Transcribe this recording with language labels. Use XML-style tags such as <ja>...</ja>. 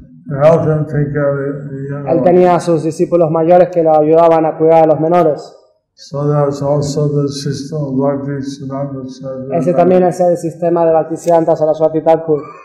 <es>Él tenía a sus discípulos mayores que lo ayudaban a cuidar a los menores.</es> <en>So that's also the system of Bhakti Siddhanta Saraswati.</en> <es>Ese también es el sistema de Bhakti Siddhanta Saraswati Thakur.</es>